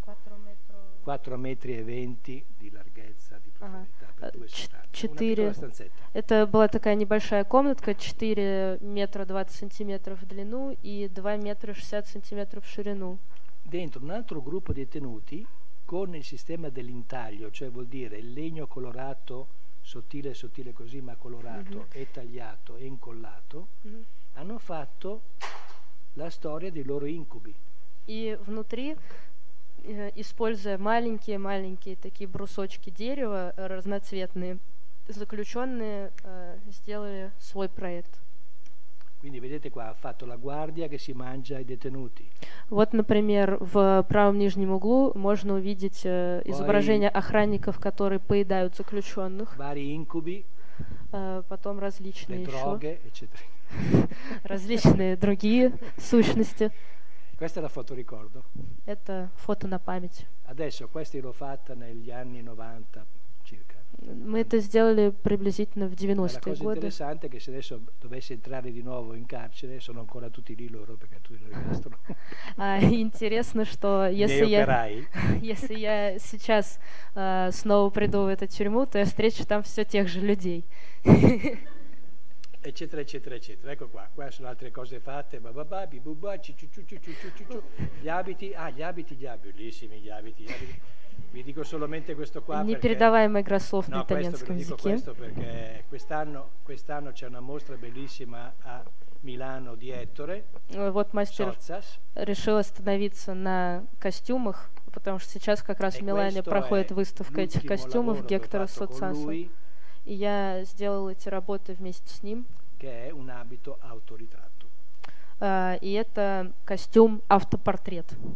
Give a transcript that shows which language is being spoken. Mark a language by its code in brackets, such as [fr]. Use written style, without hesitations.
[it] 4,20 m di larghezza, di profondità, per 2,70 m. [ru] Это была такая небольшая комнатка, 4,20 м в длину и 2,60 м в ширину. [it] Dentro un altro gruppo di detenuti con il sistema dell'intaglio, cioè vuol dire il legno colorato, sottile così, ma colorato, mm-hmm. e tagliato e incollato, mm-hmm. hanno fatto la storia dei loro incubi. [ru] И внутри, используя маленькие такие брусочки дерева разноцветные, заключенные сделали свой проект. [it] Quindi vedete qua ha fatto la guardia che si mangia i detenuti. [ru] Вот, например, в правом нижнем углу можно увидеть изображение охранников, которые поедают заключенных. [it] Vari incubi. [ru] Потом различные еще. [it] Droghe, eccetera. [ru] Различные другие сущности. [it] Questa è la foto ricordo. [ru] Это фото на память. [it] Adesso questa l'ho fatta negli anni 90 circa. [ru] Мы это сделали приблизительно в 90-е годы. [it] Interessante che se adesso dovesse entrare di nuovo in carcere, sono ancora tutti lì loro perché tutti lo rimasto. [ru] Интересно, что если я сейчас снова приду в эту тюрьму, то я встречу там все тех же людей. [it] Eccetera, eccetera, eccetera. Ecco qua, qua sono altre cose fatte. Gli abiti, bellissimi gli abiti. Vi dico solamente questo qua. [ru] Не передаваемая игра слов на итальянском языке. [it] Dico questo perché quest'anno c'è una mostra bellissima a Milano di Ettore. [ru] Вот мастер решил остановиться на костюмах, потому что сейчас как раз в Милане проходит выставка этих костюмов Гектора Соцаса. И я сделал эти работы вместе с ним. [it] Che è un abito autoritratto. [ru] И это костюм автопортрет.